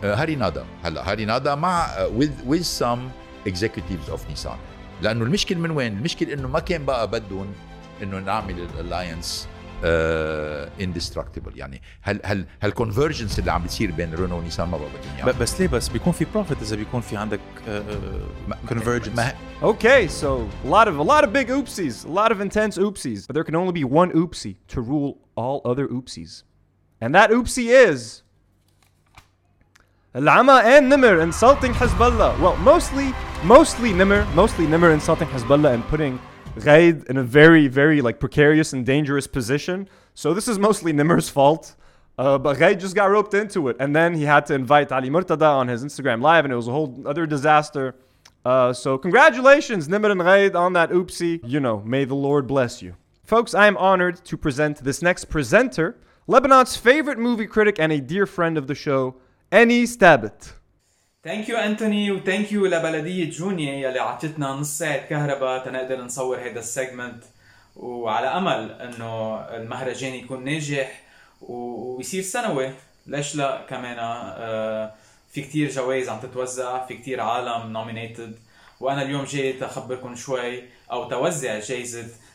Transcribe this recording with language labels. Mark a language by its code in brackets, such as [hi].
[ar] هاري نادا هلا هاري نادا مع [en] with some executives of Nissan [ar] لانه المشكله من وين المشكله انه ما كان بقى بدهم انه نعمل الالاينس indestructible يعني هل convergence اللي عم بيصير بين رينو ونيسان ما بقى بدهم اياها بس ليه بس بيكون في profit اذا بيكون في عندك convergence [en] okay so a lot of big oopsies a lot of intense oopsies but there can only be one oopsie to rule all other oopsies and that oopsie is العمى and نمر insulting Hezbollah well mostly نمر insulting Hezbollah and putting Ghaid in a very, very like precarious and dangerous position. So this is mostly Nimr's fault. But Ghaid just got roped into it. And then he had to invite Ali Murtada on his Instagram Live. And it was a whole other disaster. So congratulations, Nimr and Ghaid, on that oopsie. You know, may the Lord bless you. Folks, I am honored to present this next presenter, Lebanon's favorite movie critic and a dear friend of the show, Enis Thabit. Thank you, Anthony, and thank you to [ar] بلدية جونية يلي عطتنا نص ساعة كهرباء تنقدر نصور هذا السيجمنت وعلى أمل إنه المهرجان يكون ناجح ويصير سنوي ليش لا كمان في كتير جوائز عم تتوزع في كتير عالم nominated وأنا اليوم جيت أخبركم شوي أو توزع جائزة